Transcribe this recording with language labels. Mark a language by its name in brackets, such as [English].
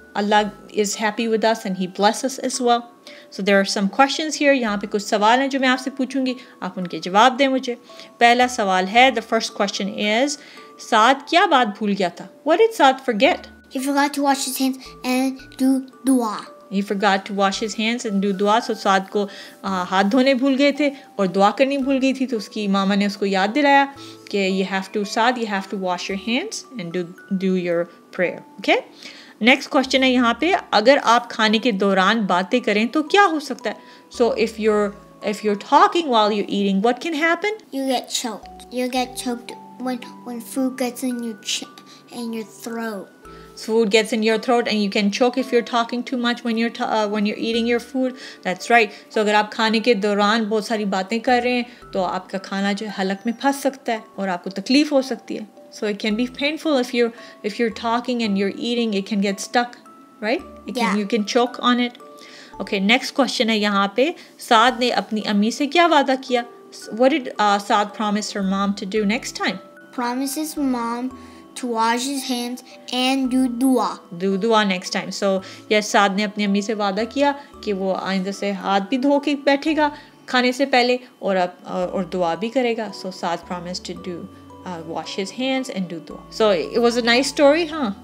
[English] Allah is happy with us and He blesses us as well. So there are some questions here. [Urdu] یہاں پہ کچھ سوال ہیں جو میں آپ سے پوچھوں گی. آپ ان کے جواب دیں مجھے. پہلا سوال ہے, [English] the first question is, [Urdu] سعد کیا بات بھول گیا تھا? [English] What did Saad forget? He forgot to wash his hands and do dua. He forgot to wash his hands and do dua. [Urdu] So سعد کو ہاتھ دھونے بھول گئے تھے اور دعا کرنی بھول گئی تھی, تو اس کی ماما نے اس کو یاد دلایا کہ [English] you have to, Saad, you have to wash your hands and do your prayer. Okay? Next question [Urdu] ہے یہاں پہ, اگر آپ کھانے کے دوران باتیں کریں تو کیا ہو سکتا ہے? [English] So if you're talking while you're eating, what can happen? You get choked when food gets in your throat. So food gets in your throat and you can choke if you're talking too much when you're eating your food. That's right. [Urdu] So اگر آپ کھانے کے دوران بہت ساری باتیں کر رہے ہیں تو آپ کا کھانا جو ہے حلق میں پھنس سکتا ہے اور آپ کو تکلیف ہو سکتی ہے. [English] So it can be painful if you're talking and you're eating, it can get stuck, right? You can choke on it. Okay, next question [Urdu] ہے یہاں پہ, سعد نے اپنی امی سے کیا وعدہ کیا? [English] What did Saad promise her mom to do next time? Promises mom to wash his hands and do dua. Do dua next time. [Urdu] So yes, سعد نے اپنی امی سے وعدہ کیا کہ وہ آئندہ سے ہاتھ بھی دھو کے بیٹھے گا کھانے سے پہلے اور دعا بھی کرے گا. [English] So Saad promised to do wash his hands and do dua. So it was a nice story, huh?